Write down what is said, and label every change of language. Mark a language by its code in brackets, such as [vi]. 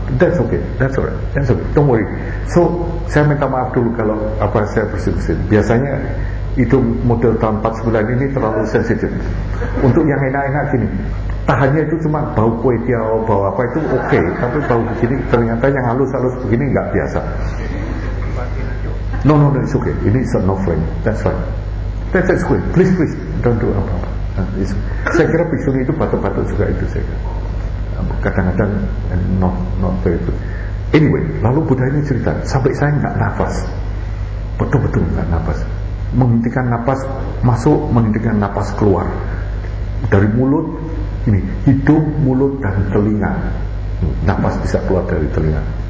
[en] That's okay, that's alright, that's okay, don't worry. [id] So, saya minta maaf dulu kalau apa saya bersin-bersin. Biasanya itu model tahun 49 ini terlalu sensitif. Untuk yang enak-enak gini, tahannya itu cuma bau kue tiaw, bau apa itu oke, tapi bau begini ternyata yang halus-halus begini enggak biasa. [en] No, no, no, it's okay. Ini is no flame. That's fine. That's good. Please, please, don't do [id] apa-apa. Saya kira pisun itu patut-patut juga itu saya. Kadang-kadang [en] not very good. [id] Anyway, lalu Buddha ini cerita sampai saya enggak nafas. Betul-betul enggak nafas. Menghentikan nafas masuk, menghentikan nafas keluar. Dari mulut ini, hidung, mulut dan telinga. Nafas bisa keluar dari telinga.